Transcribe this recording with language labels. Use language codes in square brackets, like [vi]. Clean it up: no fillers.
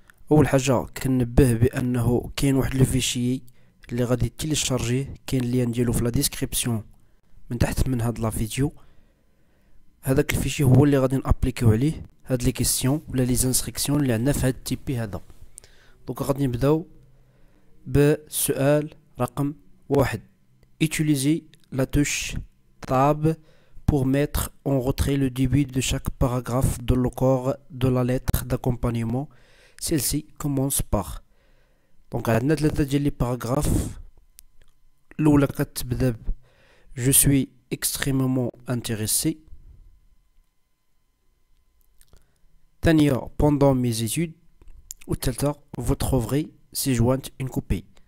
[ar] اول حاجه كننبه بانه كاين واحد الفيشي اللي غادي تيليشارجيه، كاين اللين ديالو في لا ديسكريبسيون من تحت من هذا لا فيديو. هذاك الفيشي هو اللي غادي نابليكيو عليه هاد لي كيسيون ولا لي انستركسيون اللي عندنا في هاد التيبي هذا. دونك غادي نبداو بسؤال رقم 1. [fr] utiliser la touche tab pour mettre en retrait le début de chaque paragraphe dans le corps de la lettre d'accompagnement. Celle-ci commence par. Donc [ar] عندنا ثلاثة ديال لي باراغراف. الاولى كتبدا ب [fr] je suis extrêmement intéressé. [ar] ثانية [fr] pendant mes études. Ou tantôt vous trouverez si jointe une copie.